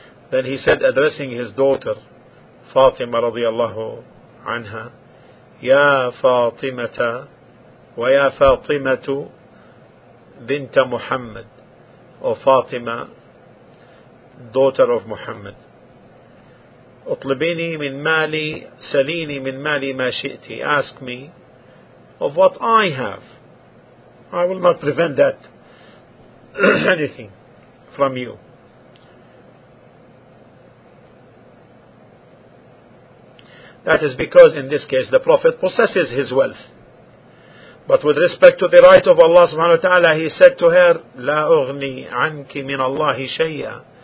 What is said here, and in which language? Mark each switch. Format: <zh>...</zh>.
<en>Then he said, addressing his daughter Fatima radiallahu anha,</en> <ar>يا فاطمة ويا فاطمة بنت محمد.</ar> <en>O Fatima, daughter of Muhammad.</en> <ar>أطلبيني من مالي سليني من مالي ما شئتي.</ar> <en>Ask me of what I have. I will not prevent that anything from you. That is because in this case the Prophet possesses his wealth. But with respect to the right of Allah subhanahu wa ta'ala, he said to her,</en> <ar>لا أغني عنك من الله شيئا.</ar>